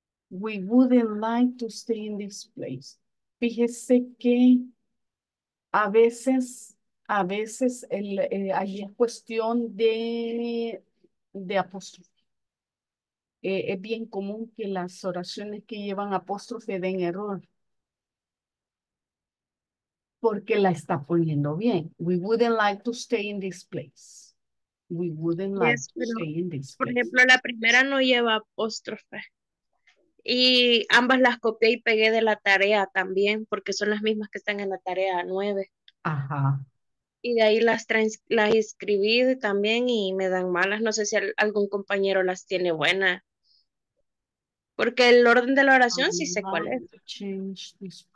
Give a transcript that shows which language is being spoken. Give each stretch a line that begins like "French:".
English: We wouldn't like to stay in this place.
Spanish: Fíjese que a veces ahí es cuestión de apóstrofe. Es bien común que las oraciones que llevan apóstrofe den error. Porque la está poniendo bien.
English: We wouldn't like to stay in this place. We wouldn't like to stay in this place.
Spanish: Por ejemplo, la primera no lleva apóstrofe. Y ambas las copié y pegué de la tarea también, porque son las mismas que están en la tarea 9. Ajá. Y de ahí las escribí también y me dan malas. No sé si algún compañero las tiene buenas. Porque el orden de la oración sí sé cuál es.